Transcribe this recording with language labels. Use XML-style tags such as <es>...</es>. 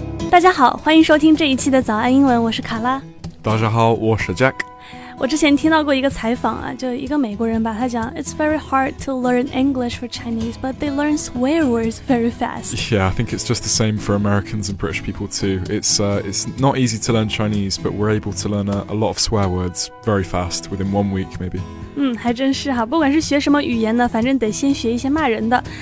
<zh>大家好，欢迎收听这一期的早安英文，我是卡拉。大家好，我是 Jack。我之前听到过一个采访啊，就一个美国人吧，他讲</zh> <en>It's very hard to learn English for Chinese, but they learn swear words very fast. Yeah, I think it's just the same for Americans and British people too. It's not easy to learn Chinese, but we're able to learn a lot of swear words very fast, within 1 week maybe.</en> <zh>还真是哈，不管是学什么语言呢，反正得先学一些骂人的。</zh>